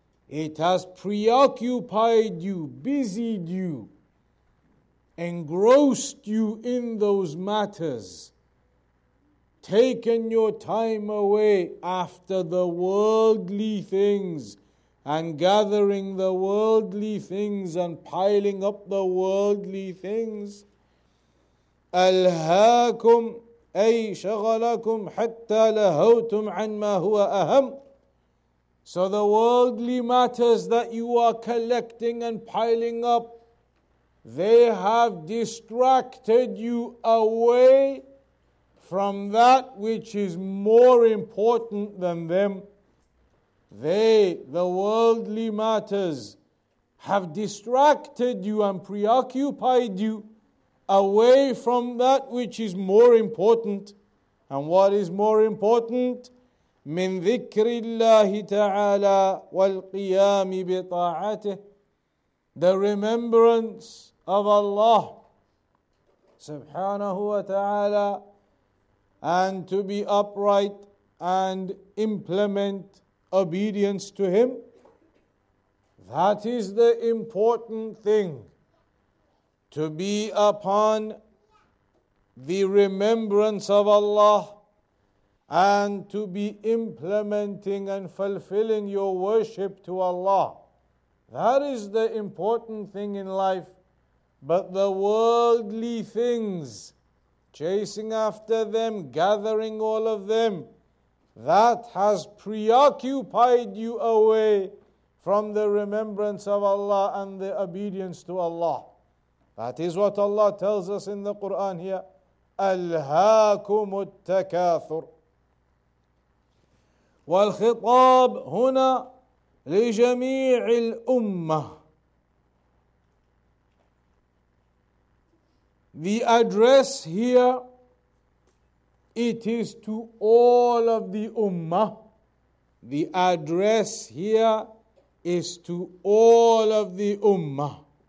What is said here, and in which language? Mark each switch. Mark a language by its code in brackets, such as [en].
[en] It has preoccupied you, busied you, engrossed you in those matters, taken your time away after the worldly things and gathering the worldly things and piling up the worldly things. [ar] Al-haakum أي شغلكم حتى لهوتم عن ما هو أهم. [en] So the worldly matters that you are collecting and piling up, they have distracted you away from that which is more important than them. The worldly matters have distracted you and preoccupied you away from that which is more important. And what is more important? [ar] من ذكر الله تعالى والقيام بطاعته. [en] The remembrance of Allah subhanahu wa ta'ala, and to be upright and implement obedience to Him. That is the important thing, to be upon the remembrance of Allah and to be implementing and fulfilling your worship to Allah. That is the important thing in life. But the worldly things, chasing after them, gathering all of them, that has preoccupied you away from the remembrance of Allah and the obedience to Allah. That is what Allah tells us in the Quran here. [ar] أَلْهَاكُمُ التَّكَاثُرُ وَالْخِطَابُ هُنَا لجميع الأمة. [en] The address here, it is to all of the Ummah. The address here is to all of the Ummah.